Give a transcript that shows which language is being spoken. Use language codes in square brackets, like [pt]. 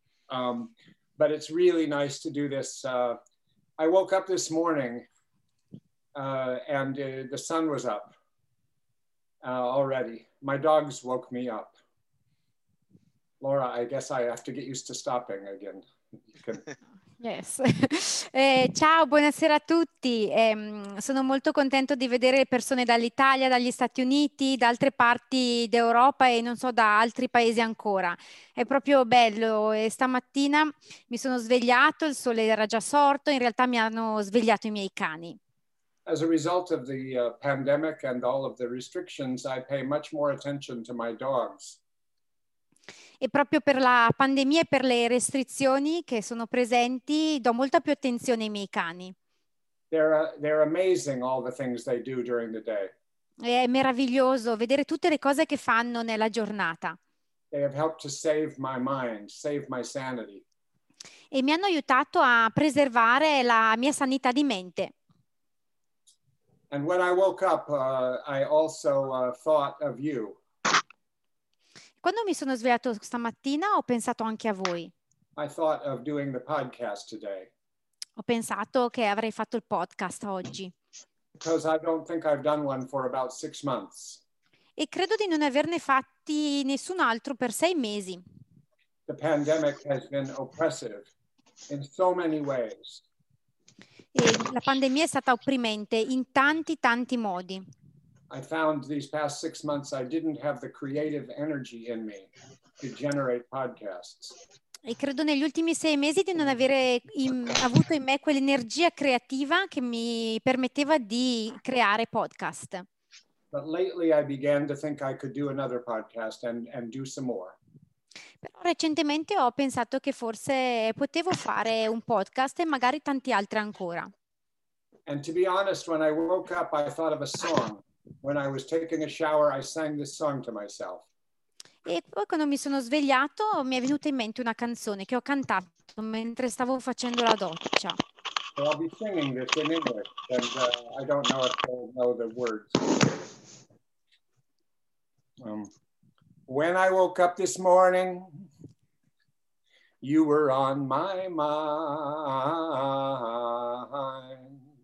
[en] But it's really nice to do this. I woke up this morning and the sun was up already. My dogs woke me up. Laura, I guess I have to get used to stopping again. [it] Yes. Ciao, buonasera a tutti. Sono molto contento di vedere persone dall'Italia, dagli Stati Uniti, da altre parti d'Europa e non so, da altri paesi ancora. È proprio bello. Stamattina mi sono svegliato, il sole era già sorto, in realtà mi hanno svegliato i miei cani. [en] As a result of the pandemic and all of the restrictions, I pay much more attention to my dogs. [it] E proprio per la pandemia e per le restrizioni che sono presenti, do molta più attenzione ai miei cani. [en] They're amazing all the things they do during the day. [it] È meraviglioso vedere tutte le cose che fanno nella giornata. [en] They have helped to save my mind, save my sanity. [it] E mi hanno aiutato a preservare la mia sanità di mente. [en] And when I woke up, I also thought of you. [it] Quando mi sono svegliato stamattina ho pensato anche a voi. [en] I thought of doing the podcast today. [it] Ho pensato che avrei fatto il podcast oggi. [en] Because I don't think I've done one for about 6 months. [it] E credo di non averne fatti nessun altro per 6 mesi. [en] The pandemic has been oppressive in so many ways. [it] E la pandemia è stata opprimente in tanti, tanti modi. [en] I found these past 6 months I didn't have the creative energy in me to generate podcasts. [it] E credo negli ultimi 6 mesi di non avere avuto in me quell'energia creativa che mi permetteva di creare podcast. [en] But lately I began to think I could do another podcast and do some more. [it] Però recentemente ho pensato che forse potevo fare un podcast e magari tanti altri ancora. [en] And to be honest, when I woke up I thought of a song. When I was taking a shower, I sang this song to myself. [it] E poi quando mi sono svegliato, mi è venuta in mente una canzone che ho cantato mentre stavo facendo la doccia. [en] So I'll be singing this in English, and I don't know if you know the words. When I woke up this morning, you were on my mind.